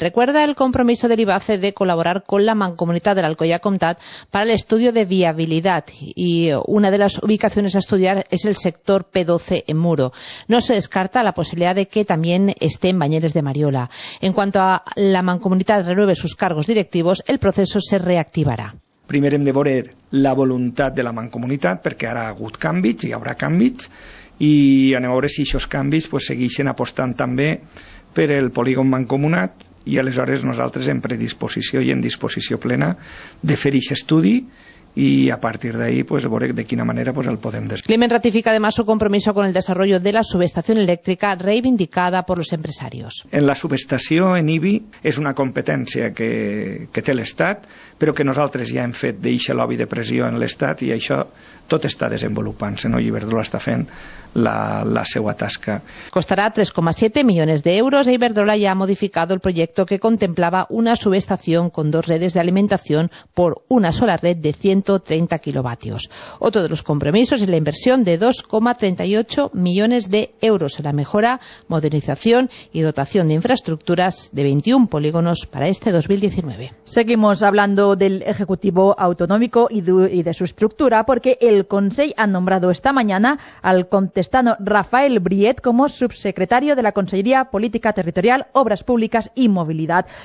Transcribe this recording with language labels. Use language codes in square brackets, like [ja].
[es] Recuerda el compromiso del IBACE de colaborar con la Mancomunidad del Alcoyà Comtat para el estudio de viabilidad, y una de las ubicaciones a estudiar es el sector P12 en Muro. No se descarta la posibilidad de que también esté en Banyeres de Mariola. En cuanto a la Mancomunidad renueve sus cargos directivos, el proceso se reactivará. [ca] Primer hem de veure la voluntat de la Mancomunitat, perquè ara hi ha hagut canvis, hi haurà canvis, i anem a veure si aquests canvis pues, segueixen apostant també per el polígon Mancomunat, i aleshores nosaltres en predisposició i en disposició plena de fer aquest estudi, [es] y a partir de ahí pues [ca] veré de quina manera pues el podem des. [es] Climent ratifica además su compromiso con el desarrollo de la subestación eléctrica reivindicada por los empresarios. En la subestación en IBI es una competencia [ca] que té l'Estat, però que nosaltres ja hem fet d'eixe lobby de pressió en l'Estat, i això tot està desenvolupant-se, no? I Iberdrola està fent la seva tasca. Costarà 3,7 milions d'euros. Iberdrola ja ha modificat el projecte que contemplava una subestació amb dues redes d'alimentació per una sola red de 130 kilovatios. [es] Otro de los compromisos es la inversión de 2,38 millones de euros en la mejora, modernización y dotación de infraestructuras de 21 polígonos para este 2019. Seguimos hablando del Ejecutivo Autonómico y de su estructura, porque el Consell ha nombrado esta mañana al contestano Rafael Briet como subsecretario de la Conselleria Política Territorial, Obras Públicas y Movilidad.